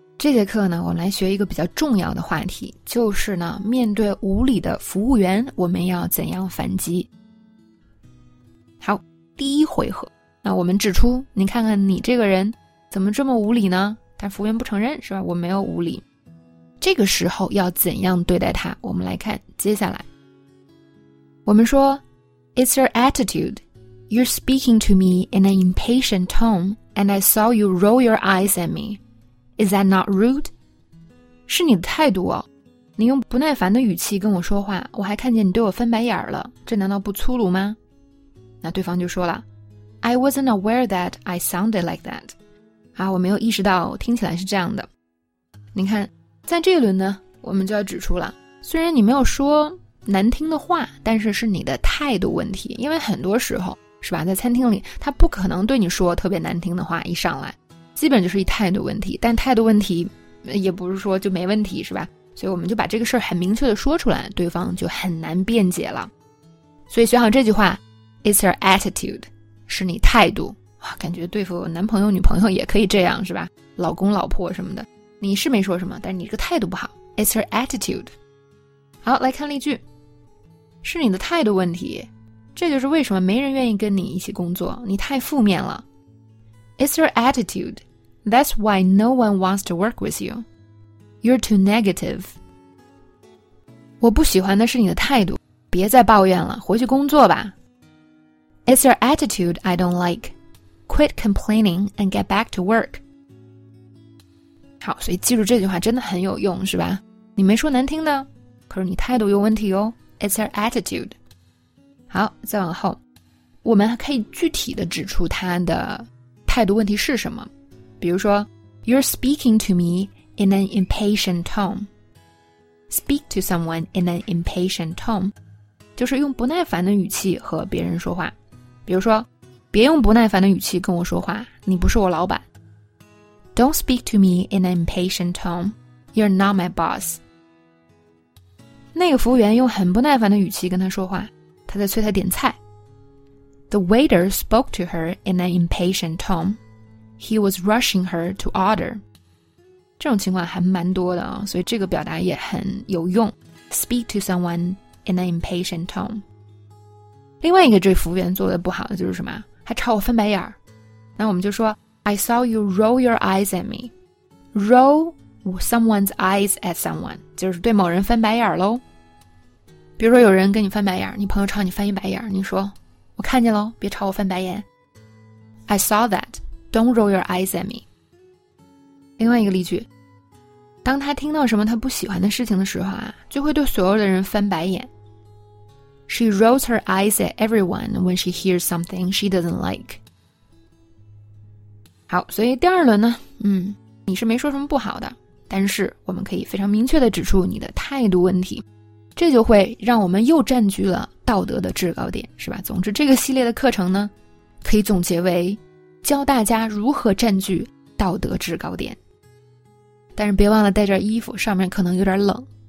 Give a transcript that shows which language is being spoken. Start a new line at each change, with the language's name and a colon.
Chinese: 这节课呢，我们来学一个比较重要的话题，就是呢，面对无理的服务员，我们要怎样反击？好，第一回合，那我们指出，你看看你这个人怎么这么无理呢？但服务员不承认，是吧？我没有无理。这个时候要怎样对待他？我们来看接下来。我们说
English: ，It's your attitude. You're speaking to me in an impatient tone. And I saw you roll your eyes at me. Is that not rude?
Chinese: 是你的态度哦。你用不耐烦的语气跟我说话，我还看见你对我翻白眼了，这难道不粗鲁吗？那对方就说了
English: I wasn't aware that I sounded like that.
Chinese: 啊，我没有意识到听起来是这样的。你看，在这一轮呢，我们就要指出了，虽然你没有说难听的话，但是是你的态度问题，因为很多时候是吧，在餐厅里他不可能对你说特别难听的话，一上来基本就是一态度问题，但态度问题也不是说就没问题，是吧？所以我们就把这个事儿很明确的说出来，对方就很难辩解了。所以学好这句话，
English: It's your attitude，
Chinese: 是你态度。哇，感觉对付男朋友女朋友也可以这样，是吧？老公老婆什么的，你是没说什么，但是你这个态度不好，
English: It's your attitude。
Chinese: 好，来看例句。是你的态度问题，这就是为什么没人愿意跟你一起工作，你太负面了。
English: It's your attitude. That's why no one wants to work with you. You're too negative.
Chinese: 我不喜欢的是你的态度，别再抱怨了，回去工作吧。
English: It's your attitude I don't like. Quit complaining and get back to work.
Chinese: 好，所以记住这句话真的很有用，是吧？你没说难听的，可是你态度有问题哦。
English: It's your attitude.
Chinese: 好，再往后，我们还可以具体的指出他的态度问题是什么。比如说
English: ，You're speaking to me in an impatient tone. Speak to someone in an impatient tone，
Chinese: 就是用不耐烦的语气和别人说话。比如说，别用不耐烦的语气跟我说话，你不是我老板。
English: Don't speak to me in an impatient tone. You're not my boss.
Chinese: 那个服务员用很不耐烦的语气跟他说话。他在催他点菜。
English: The waiter spoke to her in an impatient tone. He was rushing her to order.
Chinese: 这种情况还蛮多的哦，所以这个表达也很有用。
English: Speak to someone in an impatient tone.
Chinese: 另外一个这服务员做的不好的就是什么？还朝我翻白眼。那我们就说
English: I saw you roll your eyes at me. Roll someone's eyes at someone，
Chinese: 就是对某人翻白眼咯。比如说有人跟你翻白眼，你朋友朝你翻一白眼，你说我看见了，别朝我翻白眼。
English: I saw that. Don't roll your eyes at me.
Chinese: 另外一个例句，当他听到什么他不喜欢的事情的时候啊，就会对所有的人翻白眼。
English: She rolls her eyes at everyone when she hears something she doesn't like.
Chinese: 好，所以第二轮呢，你是没说什么不好的，但是我们可以非常明确地指出你的态度问题，这就会让我们又占据了道德的制高点，是吧？总之这个系列的课程呢，可以总结为教大家如何占据道德制高点。但是别忘了带件衣服，上面可能有点冷。